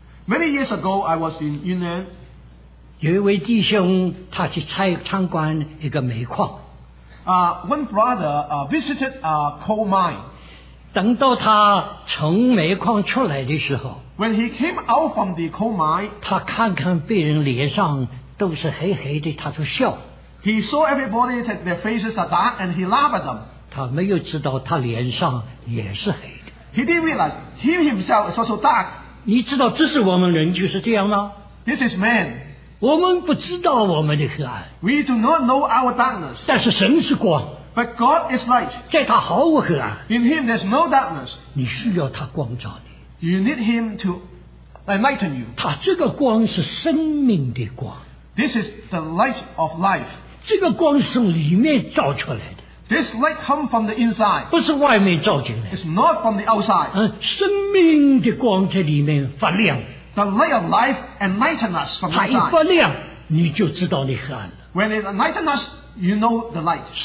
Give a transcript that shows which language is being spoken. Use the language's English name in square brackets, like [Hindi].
[English] many years ago I was in Yunnan. [Chinese] 有一位弟兄他去参观一个煤矿, [English] one brother visited a coal mine. [Chinese] 等到他从煤矿出来的时候, [English] when he came out from the coal mine, [Chinese] 他看看别人脸上都是黑黑的, 他就笑, [English] he saw everybody that their faces are dark and he laughed at them. [Chinese] 他没有知道他脸上也是黑, [English] he didn't realize he himself is also dark. [Chinese] 你知道这是我们人就是这样吗? [English] This is man. [Chinese] 我们不知道我们的黑暗, [English] we do not know our darkness. [Chinese] 但是神是光, [English] but God is light. [Chinese] 在他毫无黑暗, [English] in him there's no darkness. [Chinese] 你需要他光照你, [English] you need him to enlighten you. [Chinese] 他这个光是生命的光, [English] this is the light of life. [Chinese] 这个光是里面照出来的, [English] this light comes from the inside. [Chinese] 不是外面照进来, [English] it's not from the outside. [Chinese] 生命的光在里面发亮, [English] the light of life enlightens us from the inside. [Chinese] 它一发亮, 你就知道你黑暗了, [English] when it enlightens us, you know the light.